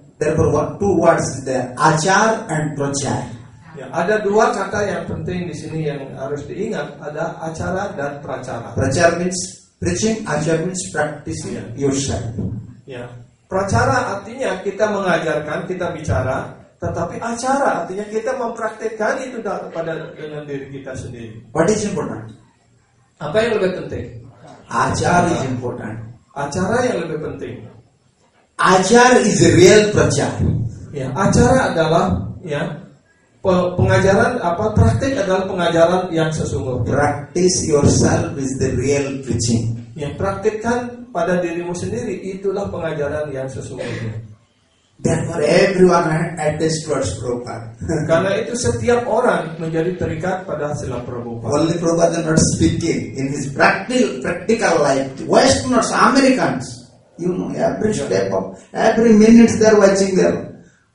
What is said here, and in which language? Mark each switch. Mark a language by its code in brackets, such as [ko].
[en] Therefore, two words there: achar and prachar. [id] Ya, ada dua kata yang penting di sini yang harus diingat. Ada acara dan prachara. [en] Prachar means preaching. Achar means practicing yourself. [id] Ya, prachara artinya kita mengajarkan, kita bicara. Tetapi acara artinya kita mempraktikkan itu dengan diri kita sendiri. [en] What is important? [id] Apa yang lebih penting? [en] Ajar is important. [id] Acara yang lebih penting. [en] Ajar is real prachar. [id] Ya, acara adalah ya pengajaran apa praktik adalah pengajaran yang sesungguhnya. [en] Practice yourself is the real preaching. [id] Ya, praktikkan pada dirimu sendiri itulah pengajaran yang sesungguhnya. [en] Therefore everyone attached towards Prabhupada. [id] Karena itu setiap orang menjadi terikat pada Srila Prabhupada. [en] Only Prabhupada not speaking in his practical life. Westerners, Americans, you know, every step of every minute they are watching them.